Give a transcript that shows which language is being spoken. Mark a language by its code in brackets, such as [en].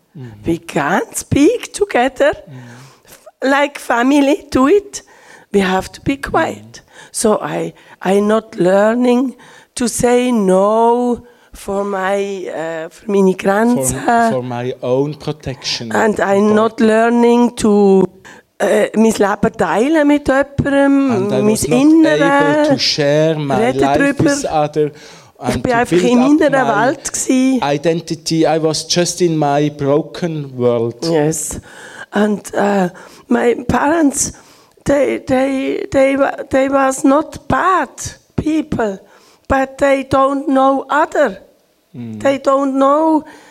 [en] Mm-hmm. We can't speak together, like family do it. We have to be quiet. So I not learning to say no for my for [de] meine Grenze. [en] For my own protection. And I not learning to [de] mein Leben teilen mit jemandem, mein Inneres. [en] And I was not able to share my life [de] drüber. [en] With other. [gsw] Ich bin einfach in meiner Welt gsi. [en] Identity. I was just in my broken world. Yes. And my parents. They was not bad people, but they don't know other. They don't know